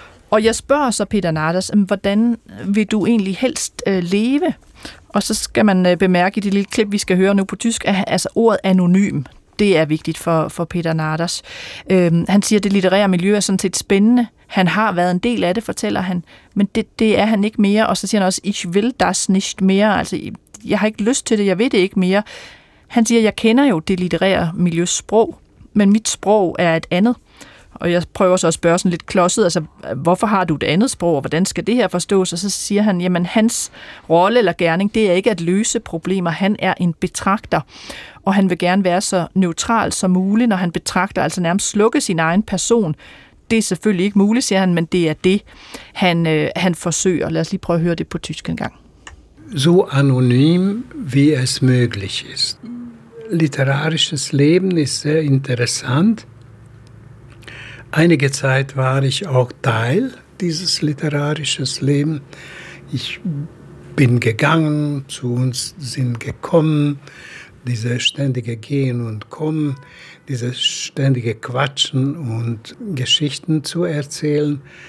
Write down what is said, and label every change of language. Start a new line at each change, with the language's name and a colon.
Danish: Og jeg spørger så Peter Nadas, hvordan vil du egentlig helst leve? Og så skal man bemærke i det lille klip, vi skal høre nu på tysk, at altså ordet anonym, Det er vigtigt for Peter Nardas. Han siger, at det litterære miljø er sådan set spændende. Han har været en del af det, fortæller han. Men det er han ikke mere. Og så siger han også,
German: ich will das nicht mehr.
Danish: Altså, jeg har ikke lyst til det, jeg ved det ikke mere. Han siger, jeg kender jo det litterære miljøs sprog, men mit sprog er et andet. Og jeg prøver så at spørge sådan lidt klodset, altså, hvorfor har du et andet sprog, og hvordan skal det her forstås? Og så siger han, jamen, hans rolle eller gerning, det er ikke at løse problemer. Han er en betragter, og han vil gerne være så neutral som muligt, når han betragter, altså nærmest slukke sin egen person. Det er selvfølgelig ikke muligt, siger han, men det er det, han forsøger. Lad os lige prøve at høre det på tysk en gang.
German: So anonym wie es möglich ist. Literarisches Leben ist sehr interessant. Einige Zeit war ich auch Teil dieses literarischen Lebens. Ich bin gegangen, zu uns sind gekommen, dieses ständige Gehen und Kommen, dieses ständige Quatschen und Geschichten zu erzählen.